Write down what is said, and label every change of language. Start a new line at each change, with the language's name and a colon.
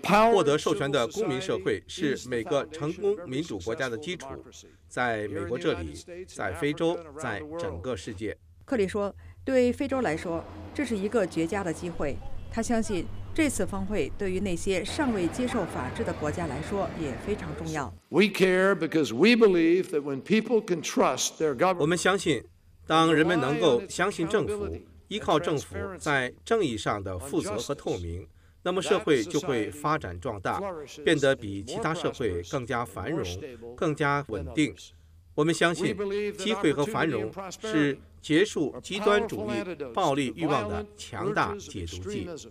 Chinese: 获得授权的公民社会是每个成功民主国家的基础，在美国这里，在非洲，在整个世界。克里说，对非洲来说，这是一个绝佳的机会。他相信这次峰会对于那些尚未接受法治的国家来说也非常重要。
English: We care because we believe that when people can trust their government,
Chinese: 我们相信当人们能够相信政府，依靠政府在正义上的负责和透明，那么社会就会发展壮大，变得比其他社会更加繁荣，更加稳定。我们相信机会和繁荣是结束极端主义暴力欲望的强大解毒剂。